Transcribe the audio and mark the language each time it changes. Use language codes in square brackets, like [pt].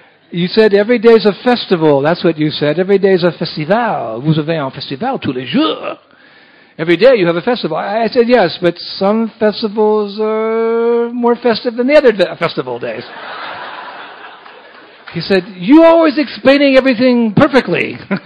[en] You said, every day is a festival. That's what you said. Every day is a festival. [fr] Vous avez un festival tous les jours. [en] Every day you have a festival. I said, yes, but some festivals are more festive than the other festival days. He said, you're always explaining everything perfectly.